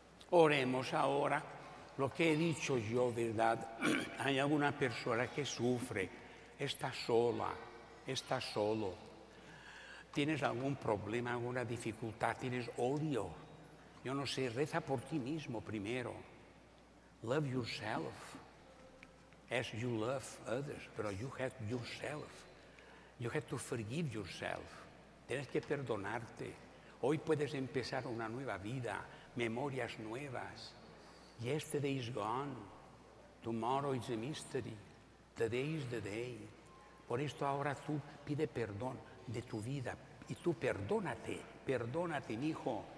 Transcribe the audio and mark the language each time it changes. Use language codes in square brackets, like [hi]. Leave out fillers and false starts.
[es] Oremos ahora lo que he dicho yo, ¿verdad? Hay alguna persona que sufre, está sola, está solo. ¿Tienes algún problema, alguna dificultad? ¿Tienes odio? Yo no sé, reza por ti mismo primero. [en] Love yourself as you love others, but you have yourself. You have to forgive yourself. [es] Tienes que perdonarte. Hoy puedes empezar una nueva vida, memorias nuevas. [en] Yesterday is gone. Tomorrow is a mystery. Today is the day. [es] Por esto ahora tú pide perdón de tu vida y tú perdónate, perdónate, mi hijo.